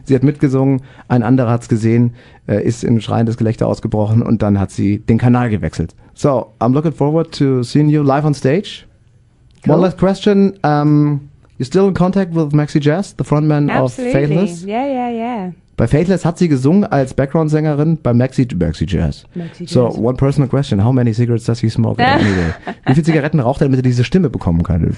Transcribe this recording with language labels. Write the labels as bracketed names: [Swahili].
[German] Sie hat mitgesungen, ein anderer hat's gesehen, ist in schreiendes Gelächter ausgebrochen und dann hat sie den Kanal gewechselt. [English] So, I'm looking forward to seeing you live on stage. Cool. One last question. You're still in contact with Maxi Jazz, the frontman Absolutely. Of Faithless? Yeah, yeah, yeah. [German] Bei Faithless hat sie gesungen als Background-Sängerin bei Maxi Jazz. [English] So, one personal question. How many cigarettes does he smoke? Anyway? [German] Wie viele Zigaretten raucht er, damit er diese Stimme bekommen kann?